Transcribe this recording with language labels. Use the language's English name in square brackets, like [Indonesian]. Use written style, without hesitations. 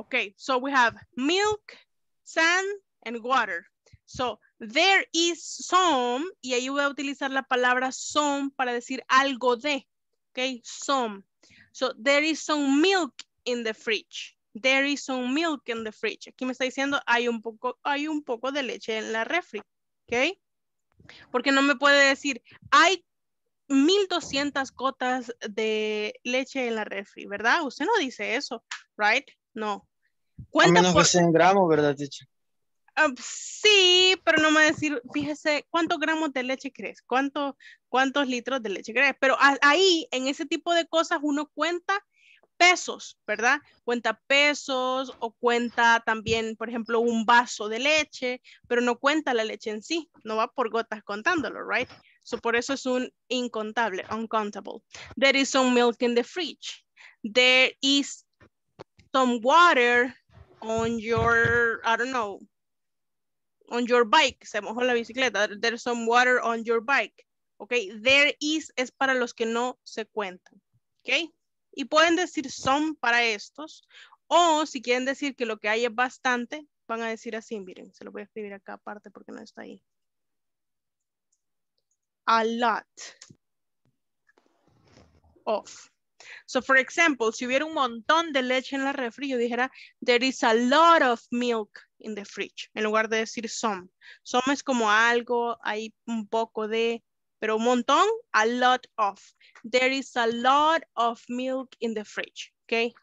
[English] Okay, so we have milk, sand, and water. So there is some, [Spanish] y ahí voy a utilizar la palabra some para decir algo de. Okay, some. [English] So there is some milk in the fridge. There is some milk in the fridge. [Spanish] Aquí me está diciendo hay un poco de leche en la refri. Okay, porque no me puede decir hay 1200 gotas de leche en la refri, ¿verdad? Usted no dice eso, right? No. Cuenta a menos por... que sea en gramos, ¿verdad, teacher? Sí, pero no me va a decir, fíjese, ¿cuántos gramos de leche crees? ¿Cuántos litros de leche crees? Pero ahí, en ese tipo de cosas, uno cuenta pesos, ¿verdad? Cuenta pesos o cuenta también, por ejemplo, un vaso de leche, pero no cuenta la leche en sí, no va por gotas contándolo, ¿right? [English] So, [Spanish] por eso es un incontable, [English] uncountable. There is some milk in the fridge. There is some water on your, I don't know, on your bike. [Spanish] Se mojó la bicicleta. [English] There's some water on your bike. [Spanish] Okay, there is es para los que no se cuentan. Okay, y pueden decir some para estos. O si quieren decir que lo que hay es bastante, van a decir así, miren, se lo voy a escribir acá aparte porque no está ahí. [English] A lot of. So, for example, [Spanish] si hubiera un montón de leche en la refri, yo dijera, [English] there is a lot of milk in the fridge, [Spanish] en lugar de decir some. Some es como algo, hay un poco de, pero un montón, a lot of. [English] There is a lot of milk in the fridge, okay?